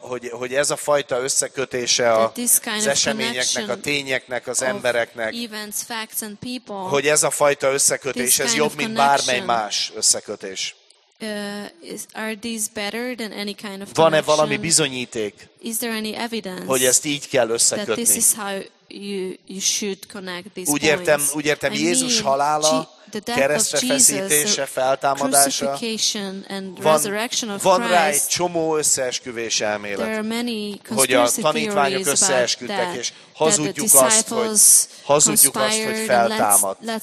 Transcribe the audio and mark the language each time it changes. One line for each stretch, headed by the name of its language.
Hungarian: hogy ez a fajta összekötése az eseményeknek, a tényeknek, az embereknek,
English: events, facts and people,
Hungarian: hogy ez a fajta összekötés, ez jobb, mint bármely más összekötés.
English: Are these better than any kind of connection?
Hungarian: Van-e valami bizonyíték?
English: Is there any evidence?
Hungarian: Hogy ezt így kell összekötni?
English: That this is how you should connect these points.
Hungarian: Úgy értem, Jézus halála, keresztre feszítése, feltámadása.
English: Crucifixion and resurrection of Christ.
Hungarian: Van rá egy csomó összeesküvés elmélet.
English: There are many conspiracy theories.
Hungarian: Hogy a tanítványok összeesküdtek, és hazudjuk azt, hogy feltámadt.